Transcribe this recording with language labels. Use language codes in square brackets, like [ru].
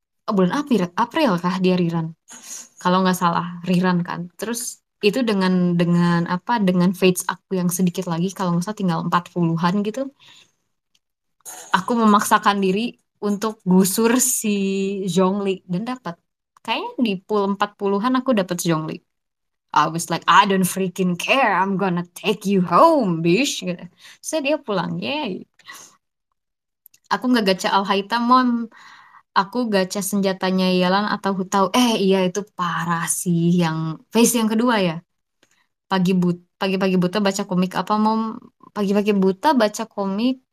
[id] Oh, bulan April, April kah dia rerun? Kalau nggak salah, rerun kan? Terus itu dengan apa? Dengan fates aku yang sedikit lagi, kalau nggak salah tinggal 40-an gitu. Aku memaksakan diri untuk gusur si Zhongli dan dapat. Kayaknya di pool 40-an aku dapat Zhongli. [en] I was like, I don't freaking care. I'm gonna take you home, bitch. [id] So dia pulang. Yay. Aku enggak gacha Alhaita, Mom. Aku gacha senjatanya Yalan atau Hutau. Iya itu parah sih yang face yang kedua ya. Pagi-pagi buta baca komik apa, Mom? Pagi-pagi buta baca komik.